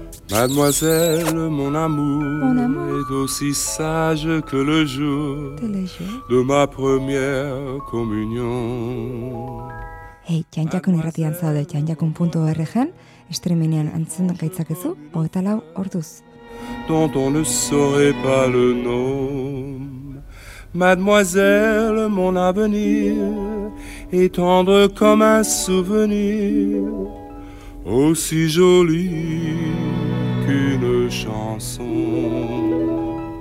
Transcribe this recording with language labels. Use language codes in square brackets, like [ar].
[fr] Mademoiselle, mon amour est aussi sage que le jour de ma première communion. [eu] Hei, txantxakun irratian zaude txantxakun.org-en, streaminean antzen gaitzakezu, 24 orduz. [fr] Dont on ne saurait pas le nom. Mademoiselle, mon avenir est tendre comme un souvenir, aussi joli qu'une chanson.